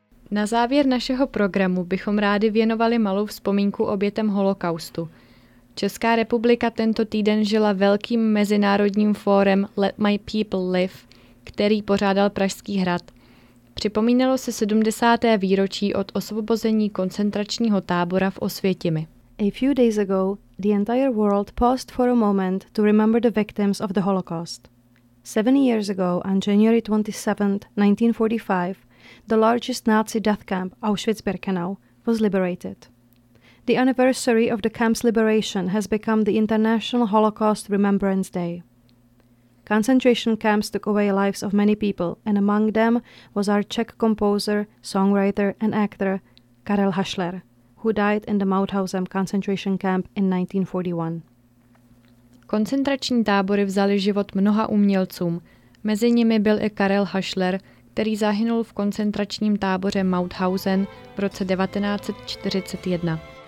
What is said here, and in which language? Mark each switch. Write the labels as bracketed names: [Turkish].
[Czech] Na závěr našeho programu bychom rádi věnovali malou vzpomínku obětem holokaustu. Česká republika tento týden žila velkým mezinárodním fórem Let My People Live, který pořádal Pražský hrad. Připomínalo se 70. výročí od osvobození koncentračního tábora v Osvětimi. [English] A few days ago, the entire world paused for a moment to remember the victims of the Holocaust. 7 years ago, on January 27, 1945, the largest Nazi death camp, Auschwitz-Birkenau, was liberated. The anniversary of the camp's liberation has become the International Holocaust Remembrance Day. Concentration camps took away lives of many people, and among them was our Czech composer, songwriter, and actor, Karel Hašler, who died in the Mauthausen concentration camp in 1941. [Czech] Koncentrační tábory vzaly život mnoha umělcům. Mezi nimi byl i Karel Hašler, který zahynul v koncentračním táboře Mauthausen v roce 1941.